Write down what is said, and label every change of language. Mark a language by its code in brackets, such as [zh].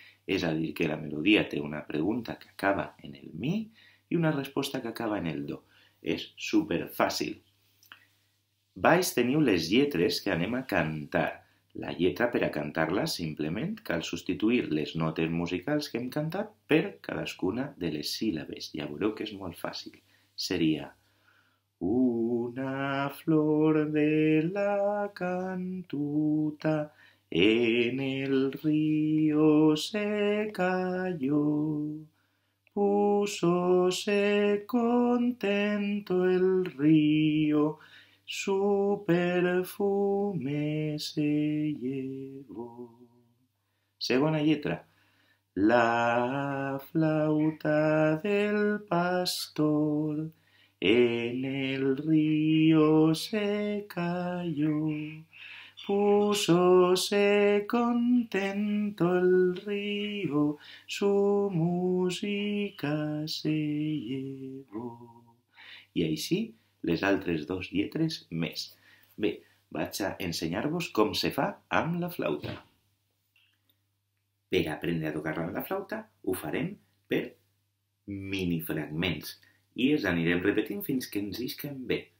[ca] És a dir, que la melodia té una pregunta que acaba en el mi i una resposta que acaba en el do. És superfàcil. Baix teniu les lletres que anem a cantar. La lletra, per a cantar-la, simplement cal substituir les notes musicals que hem cantat per cadascuna de les síl·labes. Ja veureu que és molt fàcil. Seria [es] Una flor de la cantuta en el río se cayó, púsose contento el río, su perfume se llevó. [ca] Segona lletra. [es] La flauta del pastor en el río se cayó, púsose contento el río, su música se llevó. [ca] I així les altres dos lletres més. Bé, vaig a ensenyar-vos com se fa amb la flauta. Per aprendre a tocar-la amb la flauta, ho farem per minifragments. I els anirem repetint fins que ens isquen bé.